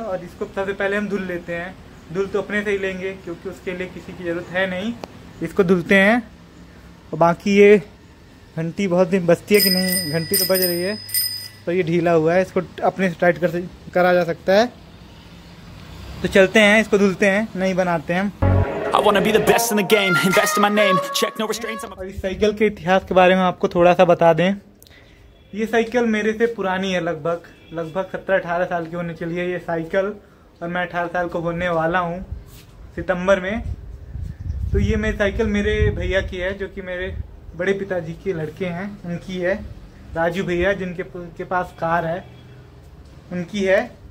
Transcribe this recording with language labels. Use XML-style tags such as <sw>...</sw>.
<hi>और इसको सबसे पहले हम धुल लेते हैं, धुल तो अपने से ही लेंगे क्योंकि उसके लिए किसी की ज़रूरत है नहीं, इसको धुलते हैं। और बाकी ये घंटी बहुत दिन बजती है कि नहीं, घंटी तो बज रही है पर ये ढीला हुआ है, इसको अपने से टाइट करा जा सकता है। तो चलते हैं, इसको धुलते हैं, नहीं बनाते हैं।</hi> <en>I wanna be the best in the game, invest in my name, check no restraints.</en> <hi>और इस साइकिल के इतिहास के बारे में आपको थोड़ा सा बता दें, ये साइकिल मेरे से पुरानी है, लगभग 17-18 साल की होने चली है ये साइकिल, और मैं 18 साल को होने वाला हूँ सितंबर में। तो ये मेरी साइकिल मेरे भैया की है, जो कि मेरे बड़े पिताजी के लड़के हैं, उनकी है, राजू भैया जिनके के पास कार है उनकी है।</hi>